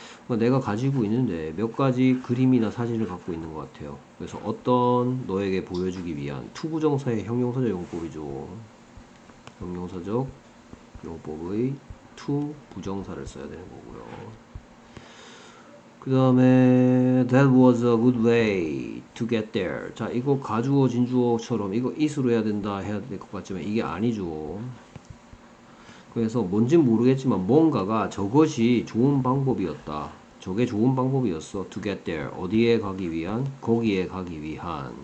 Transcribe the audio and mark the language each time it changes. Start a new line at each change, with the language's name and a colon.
Korean: 내가 가지고 있는데 몇 가지 그림이나 사진을 갖고 있는 것 같아요. 그래서 어떤 너에게 보여주기 위한 to 부정사의 형용사적 용법이죠. 형용사적 용법의 to 부정사를 써야 되는 거고요. 그 다음에
English: that was a good way to get there.
Korean: 자, 이거 가주어 진주어처럼 이거 is로 해야 된다 해야 될것 같지만 이게 아니죠. 그래서 뭔진 모르겠지만 뭔가가 저것이 좋은 방법이었다. 저게 좋은 방법이었어.
English: To get there.
Korean: 어디에 가기 위한? 거기에 가기 위한.